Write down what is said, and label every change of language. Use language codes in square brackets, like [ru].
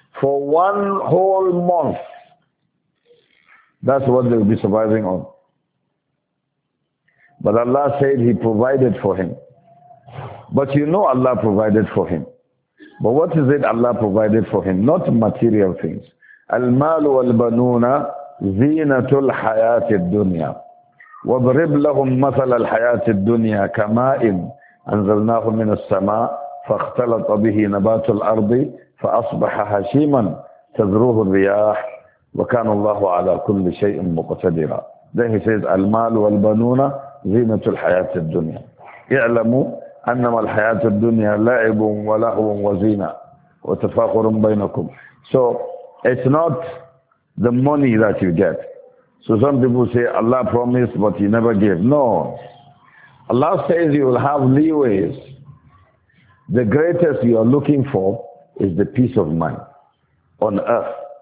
[en] For one whole month, that's what they'll be surviving on. But Allah said he provided for him. But you know Allah provided for him. But what is it Allah provided for him? Not material things. [ar] المال والبنون زينة الحياة الدنيا وضرب لهم مثل الحياة الدنيا كماء أنزلناه من السماء فاختلط به نبات الأرض فأصبح هشيما تذروه الرياح وكان الله على كل شيء مقتدرا. [en] Then he says [ar] المال والبنون زينة الحياة الدنيا. اعلموا أنما الحياة الدنيا لعب ولهو وزينة وتفاخر بينكم. [en] So it's not the money that you get. So some people say Allah promised but he never gave. No. Allah says you will have leeways. The greatest you are looking for is the peace of mind on earth.